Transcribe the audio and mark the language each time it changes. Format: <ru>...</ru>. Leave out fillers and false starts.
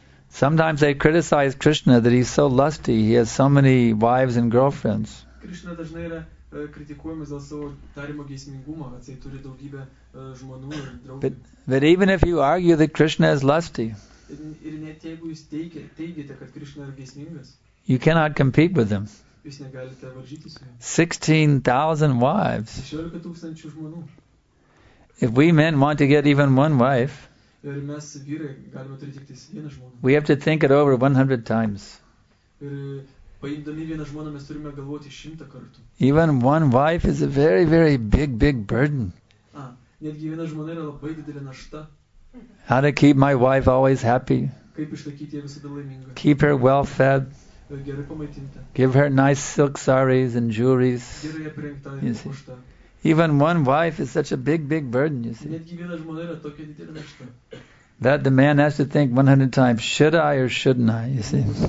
<en>Sometimes they criticize Krishna that he's so lusty, he has so many wives and girlfriends.</en> <lt>Krishna dažnai yra kritikuojamas dėl savo tarimo geismingumo, kad jis turi daugybę žmonų ir draugų.</lt> <en>But even if you argue that Krishna is lusty,</en> <lt>ir net jeigu jūs teigiate, kad Krishna yra geismingas,</lt> <en>you cannot compete with him.</en> <lt>Jūs negalite varžytis su juo.</lt> <en>16,000 wives.</en> <lt>16,000 žmonų.</lt> <en>If we men want to get even one wife,</en> <lt>ir mes vyrai galime turi tik vieną žmoną,</lt> <en>we have to think it over 100 times.</en> <lt>Paimdami vieną žmoną, mes turime galvoti 100 kartų.</lt> <en>Even one wife is a very, very big, big burden.</en> <lt>Netgi viena žmona yra labai didelė našta.</lt> <en>How to keep my wife always happy.</en> <lt>Kaip išlaikyti ją visada laimingą.</lt> <en>Keep her well fed.</en> <lt>Gerai pamaitinta.</lt> <en>Give her nice silk saris and jewelries.</en> <lt>Gerai aprengta ir papuošta.</lt> <en>Even one wife is such a big, big burden, you see.</en> <lt>Netgi viena žmona yra tokia didelė našta.</lt> <en>That the man has to think 100 times, should I or shouldn't I, you see.</en>